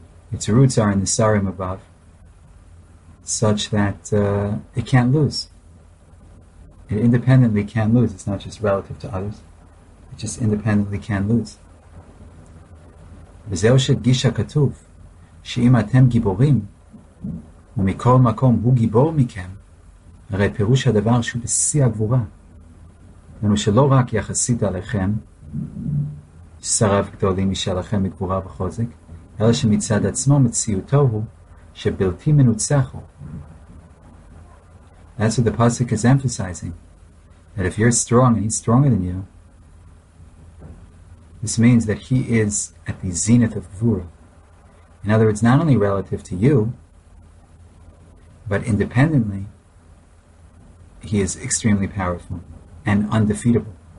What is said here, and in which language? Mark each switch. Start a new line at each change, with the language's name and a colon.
English: Its roots are in the sarim above, such that it can't lose. It independently can lose. It's not just relative to others. It just independently can lose.
Hebrew: וזהו שדגיש הכתוב, שאם אתם גיבורים, ומכל מקום הוא גיבור מכם, הרי פירוש הדבר שהוא בשיא הגבורה, אנו שלא רק יחסית עליכם, שריו גדולים משלכם מגבורה וחוזק, אלא שמצד עצמו מציאותו הוא שבלתי מנוצח הוא.
English: That's what the pasuk is emphasizing, that if you're strong and he's stronger than you, this means that he is at the zenith of Gvura. In other words, not only relative to you, but independently, he is extremely powerful and undefeatable.